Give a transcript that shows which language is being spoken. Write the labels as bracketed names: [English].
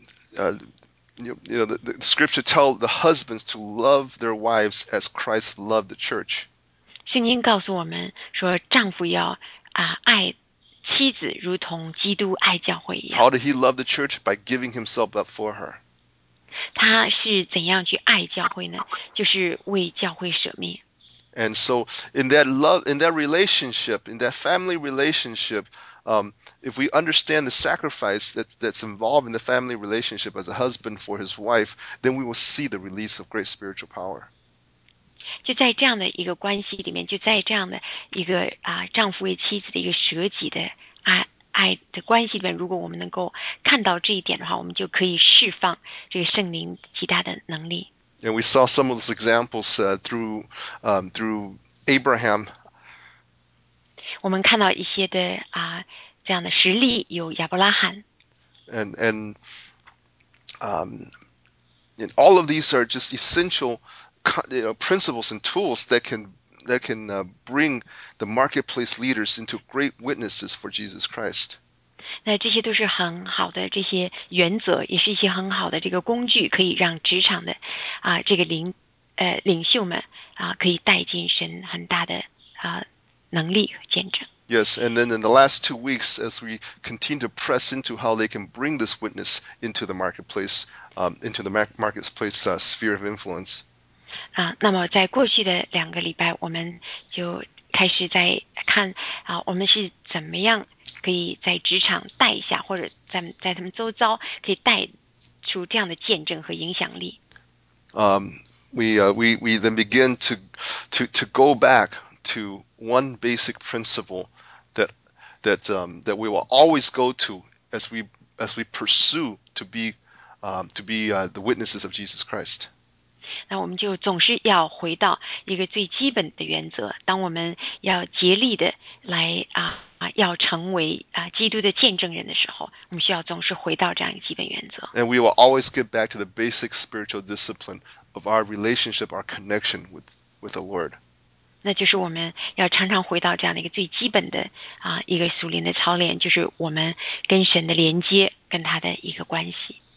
[English] The scripture tell the husbands to love their wives as Christ loved the church. [Chinese] 圣经告诉我们说，丈夫要爱妻子如同基督爱教会一样。 [English] How did he love the church? By giving himself up for her. [Chinese] 他是怎样去爱教会呢？就是为教会舍命。 [English] And so in that love, in that relationship, in that family relationship, if we understand the sacrifice that's involved in the family relationship as a husband for his wife, then we will see the release of great spiritual power. [Chinese] 就在这样的一个关系里面，就在这样的一个丈夫为妻子的一个舍己的爱的关系里面，如果我们能够看到这一点的话，我们就可以释放这个圣灵极大的能力。 [English] And we saw some of those examples through Abraham. [Chinese] 我们看到一些的这样的实例，有亚伯拉罕。 [English] And all of these are just essential, principles and tools that can bring the marketplace leaders into great witnesses for Jesus Christ. [Chinese] 那这些都是很好的这些原则，也是一些很好的这个工具，可以让职场的这个领袖们可以带进神很大的能力和见证。 [English] Yes, and then in the last 2 weeks, as we continue to press into how they can bring this witness into the marketplace, into the marketplace, sphere of influence. [Chinese] 那么在过去的2个礼拜，我们就开始在看我们是怎么样可以在职场带一下，或者在他们周遭可以带出这样的见证和影响力。 [English] We then begin to go back to one basic principle that we will always go to as we pursue to be the witnesses of Jesus Christ. [Chinese] 那我们就总是要回到一个最基本的原则，当我们要竭力的来要成为基督的见证人的时候，我们需要总是回到这样一个基本原则。 [English] And we will always get back to the basic spiritual discipline of our relationship, our connection with the Lord. [Chinese] 那就是我们要常常回到这样的一个最基本的一个属灵的操练，就是我们跟神的连接，跟他的一个关系。